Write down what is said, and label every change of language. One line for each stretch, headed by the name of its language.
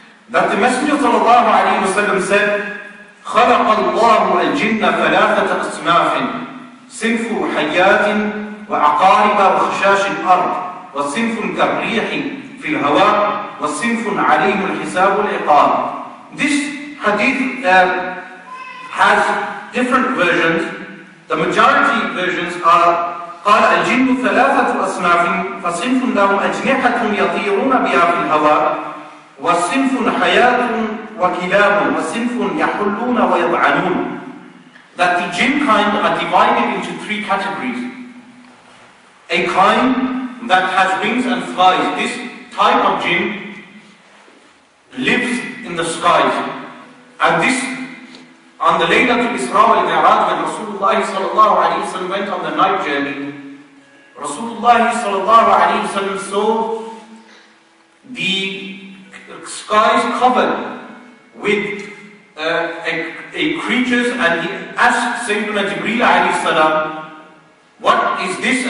English: that the Messenger sallallahu alayhi wa sallam said,
Arabic: خلق الله الجن ثلاثة أصناف صنف حياة وعقارب وخشاش الأرض وصنف كالريح في الهواء وصنف عليه الحساب والعقاب.
English: This hadith has different versions. The majority versions are
Arabic: قال الجن ثلاثة أصناف فصنف لهم أجنحة يطيرون بها في الهواء وصنف حياة وَكِلَابٌ وَصِنْفٌ يَحُلُّونَ وَيَضْعَنُونَ,
English: that the jinn kind are divided into three categories. A kind that has wings and flies. This type of jinn lives in the skies. And this, on the Laylatul Isra wal Mi'raj, when Rasulullah sallallahu alayhi wa sallam went on the night journey, Rasulullah sallallahu alayhi wa sallam saw the skies covered with a creatures, and he asked Sayyidina Jibreel alayhi salam, what is this?